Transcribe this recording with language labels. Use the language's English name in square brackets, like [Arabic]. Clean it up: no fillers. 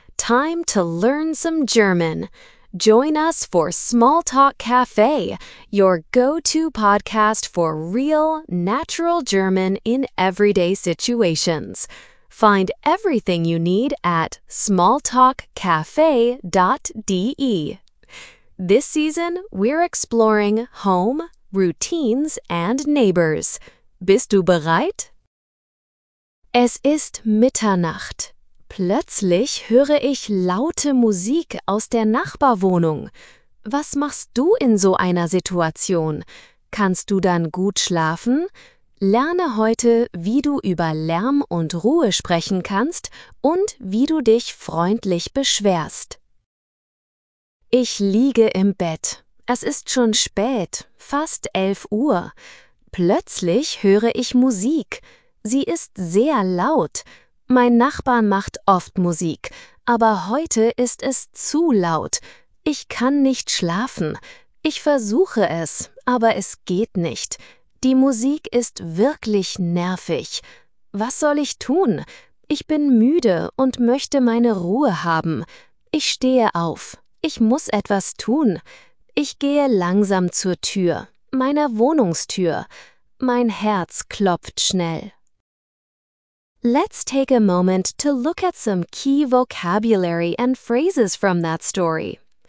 [English] Time to learn some German. Join us for Small Talk Cafe, your go-to podcast for real, natural German in everyday situations. Find everything you need at smalltalkcafe.de. This season, we're exploring home, routines, and neighbors. [German] Bist du bereit? Es ist Mitternacht. Plötzlich höre ich laute Musik aus der Nachbarwohnung. Was machst du in so einer Situation? Kannst du dann gut schlafen? Lerne heute, wie du über Lärm und Ruhe sprechen kannst und wie du dich freundlich beschwerst. Ich liege im Bett. Es ist schon spät, fast 11 Uhr. Plötzlich höre ich Musik. Sie ist sehr laut. Mein Nachbar macht oft Musik, aber heute ist es zu laut. Ich kann nicht schlafen. Ich versuche es, aber es geht nicht. Die Musik ist wirklich nervig. Was soll ich tun? Ich bin müde und möchte meine Ruhe haben. Ich stehe auf. Ich muss etwas tun. Ich gehe langsam zur Tür, meiner Wohnungstür. Mein Herz klopft schnell. [English] Let's take a moment to look at some key vocabulary and phrases from that story.